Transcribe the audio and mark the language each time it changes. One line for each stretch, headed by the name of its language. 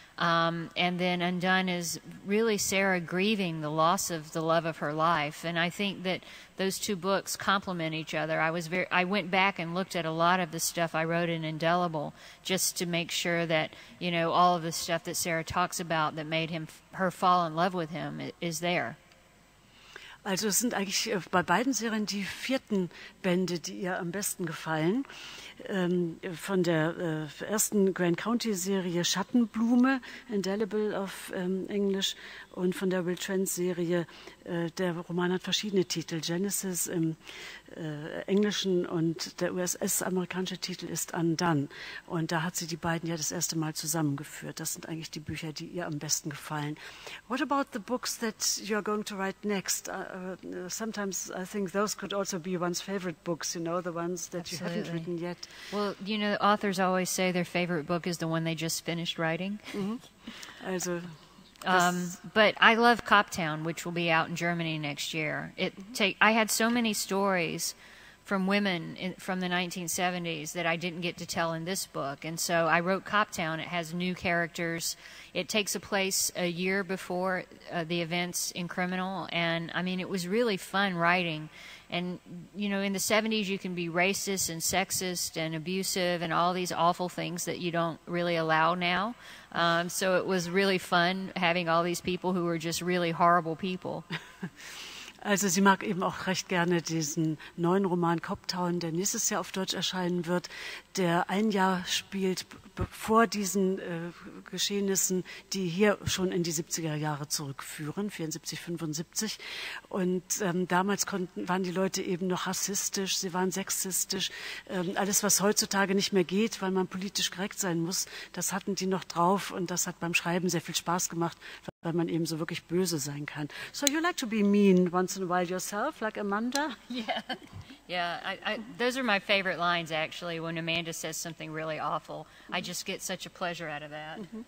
English: And then Undone is really Sarah grieving the loss of the love of her life. And I think that those two books complement each other. I went back and looked at a lot of the stuff I wrote in Indelible just to make sure that, you know, all of the stuff that Sarah talks about that made her fall in love with him is there.
German: Also es sind eigentlich bei beiden Serien die vierten Bände, die ihr am besten gefallen. Von der ersten Grand County-Serie Schattenblume, Indelible auf Englisch, und von der Will Trent-Serie, der Roman hat verschiedene Titel, Genesis im Englischen und der US-amerikanische Titel ist Undone. Und da hat sie die beiden ja das erste Mal zusammengeführt. Das sind eigentlich die Bücher, die ihr am besten gefallen.
English: What about the books that you are going to write next? Sometimes I think those could also be one's favorite books, you know, the ones that Absolutely. You haven't written yet. Well, you know, authors always say their favorite book is the one they just finished writing. Mm-hmm. Also, But I love Coptown, which will be out in Germany next year. I had so many stories from women from the 1970s that I didn't get to tell in this book. And so I wrote Coptown. It has new characters. It takes a place a year before the events in Criminal. And, I mean, it was really fun writing. And, you know, in the 70s you can be racist and sexist and abusive and all these awful things that you don't really allow now. So it was really fun having all these people who were just really horrible people.
German: Also sie mag eben auch recht gerne diesen neuen Roman Coptown, der nächstes Jahr auf Deutsch erscheinen wird, der ein Jahr spielt vor diesen Geschehnissen, die hier schon in die 70er Jahre zurückführen, 74, 75. Und damals waren die Leute eben noch rassistisch, sie waren sexistisch. Alles, was heutzutage nicht mehr geht, weil man politisch korrekt sein muss, das hatten die noch drauf und das hat beim Schreiben sehr viel Spaß gemacht. weil man eben so wirklich böse sein kann.
English: So you like to be mean once in a while yourself, like Amanda? Yeah, those are my favorite lines actually, when Amanda says something really awful. I just get such a pleasure out of that.